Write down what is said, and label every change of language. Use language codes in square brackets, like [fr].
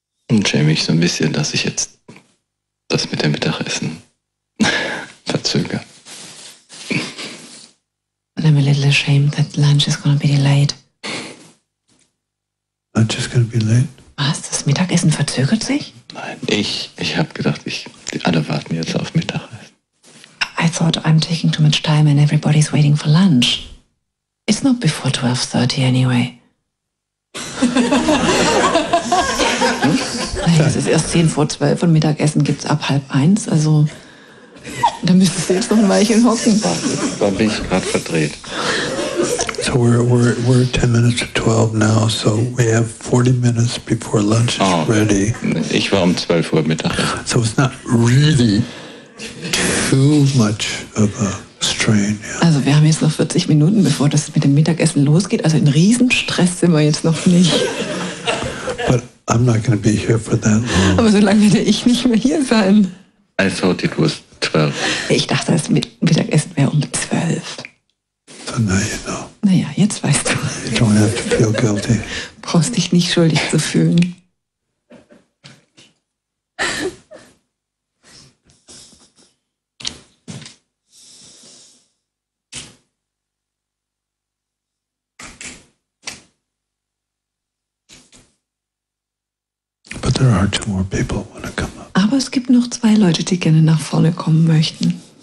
[de] Und schäme ich so ein bisschen, dass ich jetzt das mit dem Mittagessen verzögere. [en] And I'm a little ashamed that lunch is gonna be delayed. Lunch is gonna be late? [de] Was? Das Mittagessen verzögert sich? Nein, ich habe gedacht, alle warten jetzt auf Mittagessen. [en] I thought I'm taking too much time and everybody's waiting for lunch. It's not before 12:30 anyway. [de] Es ist erst 10:50 und Mittagessen gibt es ab 12:30, also da müsste ich jetzt noch ein Weilchen hocken. Da bin ich gerade verdreht. [en] So we're 10 minutes to 12 now, so we have 40 minutes before lunch is ready. [de] Ich war um 12 Uhr Mittag. [en] So it's not really too much of a strain. Yeah. [de] Also wir haben jetzt noch 40 Minuten, bevor das mit dem Mittagessen losgeht. Also in Riesenstress sind wir jetzt noch nicht. [en] But I'm not going to be here for that long. [de] Aber so lange werde ich nicht mehr hier sein. [en] I thought it was 12. [de] Ich dachte, das Mittagessen wäre um 12. [en] So now you know. [de] Naja, jetzt weißt du. [en] You don't have to feel guilty. [de] Brauchst dich nicht schuldig zu fühlen. [en] But there are two more people who want to come up. [de] Aber es gibt noch zwei Leute, die gerne nach vorne kommen möchten.